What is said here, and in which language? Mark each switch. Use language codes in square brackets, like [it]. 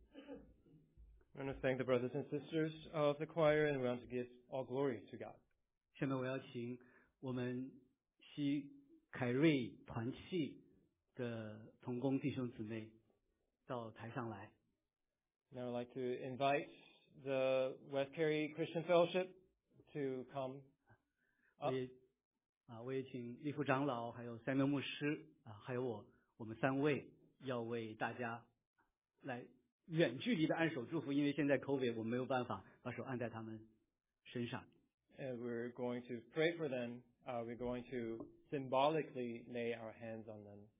[en] I want to thank the brothers and sisters of the choir, and we want to give all glory to God. [zh] 下面我要请我们西凯瑞团契的同工弟兄姊妹到台上来。 [en] Now I'd like to invite the West Cary Christian Fellowship to come up. [zh] 我也请利弗长老还有三位牧师还有我们三位要为大家来远距离的按手祝福，因为现在 COVID 我没有办法把手按在他们身上。 [en] And we're going to pray for them. We're going to symbolically lay our hands on them.